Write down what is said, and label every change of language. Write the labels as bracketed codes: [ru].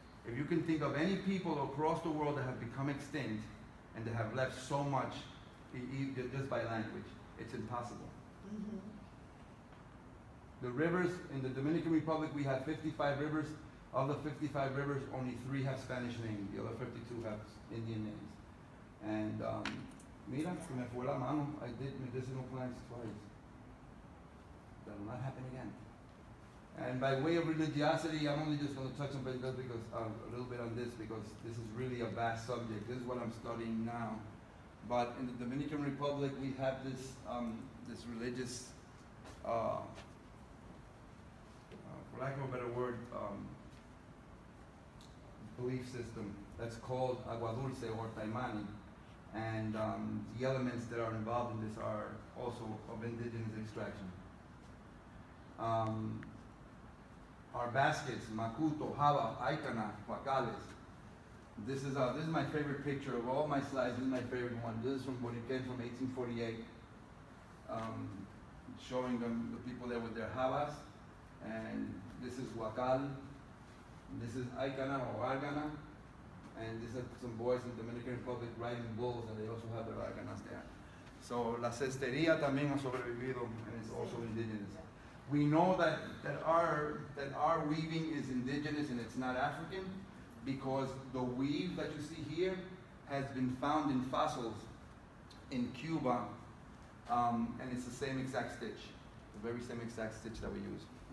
[en] If you can think of any people across the world that have become extinct and that have left so much just by language, it's impossible. Mm-hmm. The rivers, in the Dominican Republic, we have 55 rivers. Of the 55 rivers, only three have Spanish names. The other 52 have Indian names. And [es] mira, se me fue la mano. [en] I did medicinal plants twice. That will not happen again. And by way of religiosity, I'm only just going to touch on this because a little bit on this because this is really a vast subject. This is what I'm studying now. But in the Dominican Republic, we have this this religious, for lack of a better word, belief system that's called agua dulce or taimani. And the elements that are involved in this are also of indigenous extraction. Our baskets, Makuto, Java, Aikana, Huacales. This is my favorite picture of all my slides. This is my favorite one. This is from Boriquen from 1848, showing them the people there with their Javas. And this is Huacal. This is Aikana or Argana. And this is some boys in the Dominican Republic riding bulls, and they also have their Arganas there. So [es] La Cestería también ha sobrevivido, [en] and it's also indigenous. We know that our weaving is indigenous and it's not African because the weave that you see here has been found in fossils in Cuba, and it's the same exact stitch, the very same exact stitch that we use.